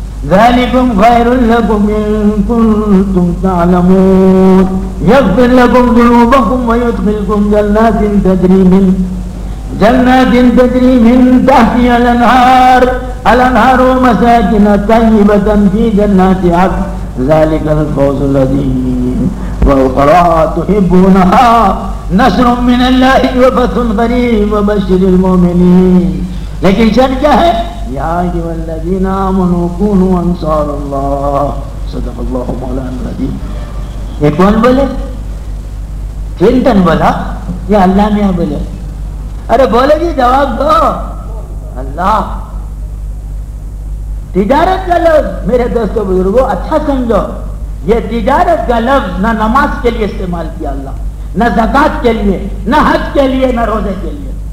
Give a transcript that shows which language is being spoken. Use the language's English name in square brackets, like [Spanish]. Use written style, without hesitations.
[Arabic] ذلکم خیر لکم ان کنتم تعلمون یغفر لکم ذنوبکم ویدخلکم جنات تجری من تحتها الانہار مساکن طیبۃ فی جنات عدن ذلک الفوز العظیم وأخرى تحبونها نصر من اللہ وفتح قریب وبشر المؤمنین. [Urdu] لیکن شرط کیا ہے؟ [Arabic] يا أيها الذين آمنوا كونوا أنصار الله صدق الله مولانا العظيم. [Urdu] یہ کون بولے؟ کلنٹن بولا یا اللہ میاں بولے؟ ارے بولے جی جواب دو. اللہ تجارت کا لفظ میرے دوستو بزرگو اچھا سمجھو, یہ تجارت کا لفظ نہ نماز کے لیے استعمال کیا اللہ, نہ زکات کے لیے, نہ حج کے لیے, نہ روزے کے لیے.